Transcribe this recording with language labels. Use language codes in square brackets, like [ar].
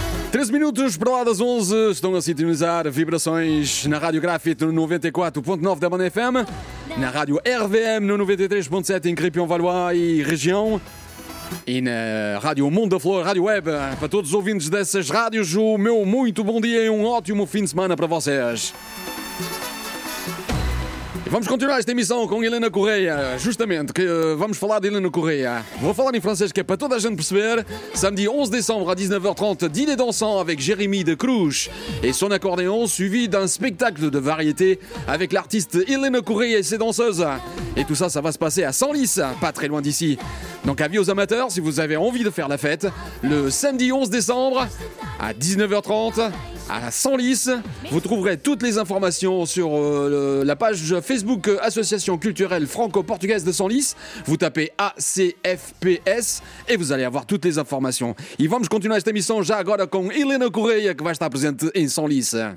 [pt] 13 minutos para lá das 11, estão a sintonizar vibrações na Rádio Grafite no 94.9 da Banda FM, na Rádio RVM no 93.7 em Crépion-Valois e região, e na Rádio Mundo da Flor, Rádio Web, para todos os ouvintes dessas rádios, o meu muito bom dia e um ótimo fim de semana para vocês. Vamos continuar esta emissão com Helena Correia, justamente, que vamos falar de Helena Correia. Vou falar em francês, que é para toda a gente perceber. [fr] Samedi 11 décembre à 19h30, dîner dansant avec Jérémy de Cruz et son accordéon, suivi d'un spectacle de variété avec l'artiste Helena Correia et ses danseuses. Et tout ça, ça va se passer à Senlis, pas très loin d'ici. Donc avis aux amateurs, si vous avez envie de faire la fête, le samedi 11 décembre à 19h30, à Senlis, vous trouverez toutes les informations sur la page Facebook Association Culturelle Franco-Portugaise de Senlis. Vous tapez ACFPS et vous allez avoir toutes les informations. [pt] Et vamos continuar esta emissão já agora com Helena Correia, que vai estar presente em Senlis.